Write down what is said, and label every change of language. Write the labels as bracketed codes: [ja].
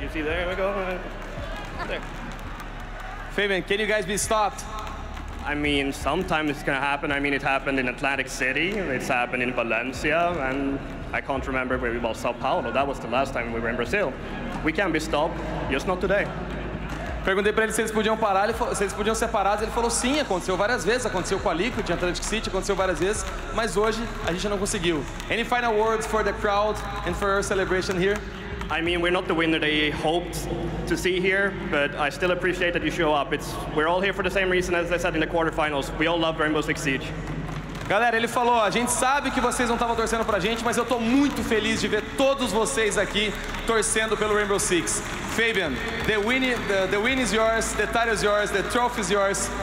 [en] You see, there we go. There. Fabian, can you guys be stopped? I mean, sometimes it's gonna happen. I mean, it happened in Atlantic City, it's happened in Valencia, and I can't remember where we were, Sao Paulo. That was the last time we were in Brazil. We can't be stopped, just not today. [pt] Perguntei pra ele se eles podiam parar, se eles podiam separar, ele falou sim, aconteceu várias vezes, aconteceu com a Liquid, Atlantic City, aconteceu várias vezes, mas hoje a gente não conseguiu. [en] Any final words for the crowd and for our celebration here? I mean, we're not the winner they hoped to see here, but I still appreciate that you show up. We're all here for the same reason as I said in the quarterfinals. We all love Rainbow Six Siege. [pt] Galera, ele falou, a gente sabe que vocês não estavam torcendo pra gente, mas eu tô muito feliz de ver todos vocês aqui torcendo pelo Rainbow Six. [en] Fabian, the win is yours, the title is yours, the trophy is yours.